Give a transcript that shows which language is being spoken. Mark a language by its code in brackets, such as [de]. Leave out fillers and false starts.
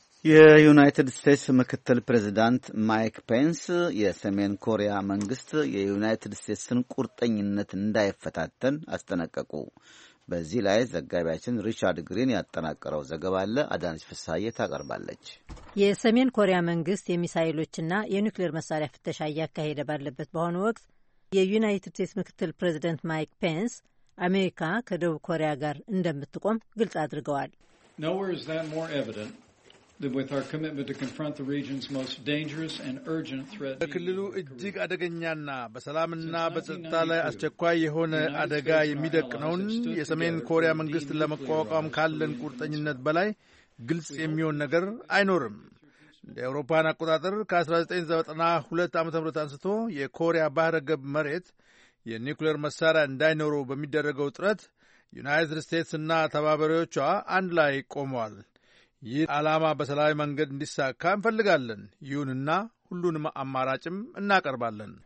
[am] የዩናይትድ ስቴትስ ምክትል ፕሬዚዳንት ማይክ ፔንስ የሰሜን ኮሪያ መንግስት የዩናይትድ ስቴትስን ቁርጠኝነት እንዳይፈታተን አስጠነቀቁ። በዚህ ላይ ዘጋቢያችን ሪቻርድ ግሪን ያጠናቀረው ዘገባ አለ፣ አዳነች ፍሳዬ ታቀርባለች። የሰሜን ኮሪያ መንግስት የሚሳይሎችና የኒውክሌር መሳሪያ ፍተሻ እያካሄደ ባለበት በአሁኑ ወቅት የዩናይትድ ስቴትስ ምክትል ፕሬዚደንት ማይክ ፔንስ አሜሪካ ከደቡብ ኮሪያ ጋር እንደምትቆም ግልጽ አድርገዋል። [en] Nowhere is that more evident than with our commitment to confront the region's most dangerous and urgent threat. [am] በክልሉ እጅግ አደገኛና በሰላምና በጸጥታ ላይ አስቸኳይ የሆነ አደጋ የሚደቅነውን የሰሜን ኮሪያ መንግስት ለመቋቋም ካለን ቁርጠኝነት በላይ ግልጽ የሚሆን ነገር አይኖርም። ለአውሮፓ አቆጣጥር ከ1992 ዓመተ ምህረት አንስቶ የኮሪያ ባህረ ገብ መሬት የኒውክሌር መሳሪያ እንዳይኖር በሚደረገው ጥረት ዩናይትድ ስቴትስ እና ተባባሪዎቿ አንድ ላይ ቆመዋል። ይህ ዓላማ በሰላማዊ መንገድ እንዲሳካ እንፈልጋለን። ይሁንና ሁሉንም አማራጭም እናቀርባለን።